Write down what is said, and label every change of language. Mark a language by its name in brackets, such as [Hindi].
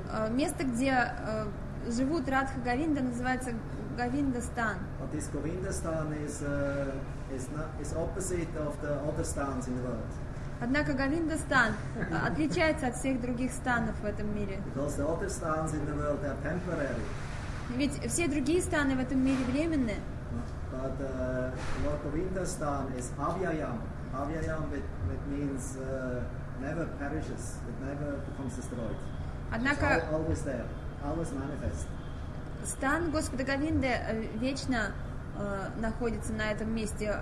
[Russian] Место, где живут Радха Говинда, называется Говиндастан. [English] But this Govindastan is opposite of the other stans in the world. [Russian] Однако Говиндастан отличается от всех других станов в этом мире. [English] Because the other stans in the world are temporary. [Russian] Ведь все другие станы в этом мире временны. [English] But Lord Govindastan is Avyayam. Avyayam it means never perishes, it never becomes destroyed. [Russian] Однако [English] it's always there, always manifest. [Russian] Стан Господа Говинды вечно находится на этом месте.